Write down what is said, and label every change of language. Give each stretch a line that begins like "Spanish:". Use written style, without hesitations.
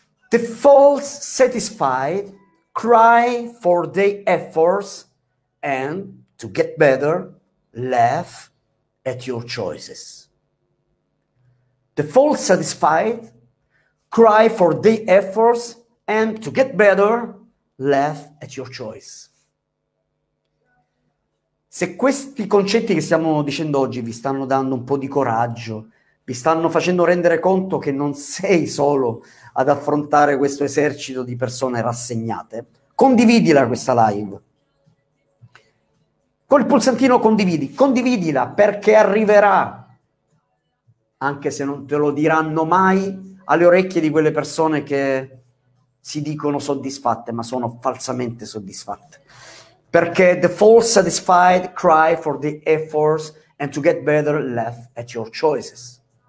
English: The false satisfied cry for their efforts and to get better laugh at your choices. The false satisfied cry for their efforts and to get better laugh at your choice.
Italian: Se questi concetti che stiamo dicendo oggi vi stanno dando un po' di coraggio, vi stanno facendo rendere conto che non sei solo ad affrontare questo esercito di persone rassegnate, condividila questa live. Col pulsantino condividi, condividila, perché arriverà, anche se non te lo diranno mai, alle orecchie di quelle persone che si dicono soddisfatte, ma sono falsamente soddisfatte. Perché
English: the false satisfied cry for the efforts and to get better laugh at your choices.